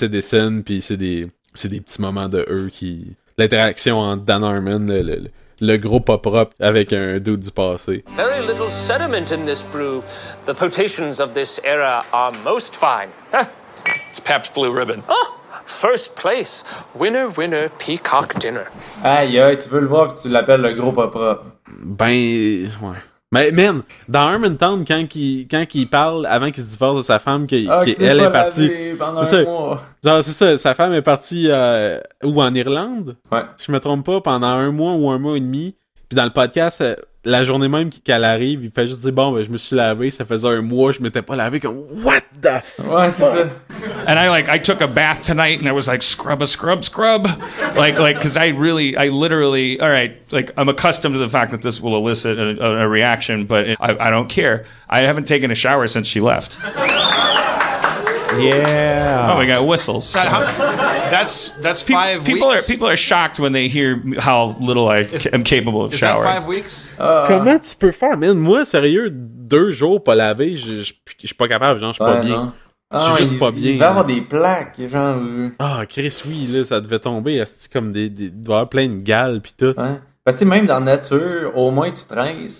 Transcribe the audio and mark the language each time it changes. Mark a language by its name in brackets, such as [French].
[French] Edison, puis c'est des petits moments de eux qui l'interaction entre Dan Harmon, le gros pas propre avec un dude du passé. [English] Very little sediment in this brew. The potations of this era are most fine. Huh. It's Pabst Blue Ribbon. Oh, first place. Winner, winner, peacock dinner. [French] Aïe, aïe, tu veux le voir puis tu l'appelles le gros pas propre. Ben, ouais. Mais man, dans Harmontown, quand il parle avant qu'il se divorce de sa femme, qu'elle est partie. Sa femme est partie ou en Irlande. Ouais. Si je me trompe pas, pendant un mois ou un mois et demi. Puis dans le podcast, la journée même qu'elle arrive, il fait juste dire bon, ben je me suis lavé, ça faisait un mois, je m'étais pas lavé. [English] Comme what the fuck? [French] Ouais, c'est ça. [English] And I took a bath tonight and I was like scrub a scrub scrub. Like, cause I literally, all right, like I'm accustomed to the fact that this will elicit a reaction, but I don't care. I haven't taken a shower since she left. Yeah. Oh my God, whistles. That's 5 weeks. People are shocked when they hear how little I am capable of showering. Is that 5 weeks? [French] Comment tu peux faire, man? Moi, sérieux, 2 jours pas lavé, je suis pas capable, genre, je suis pas bien. Il devait avoir des plaques, genre. Ah, Chris, oui, là, ça devait tomber. C'est comme des. Il devait avoir plein de gales pis tout. Ouais. Parce que même dans la nature, au moins tu traînes.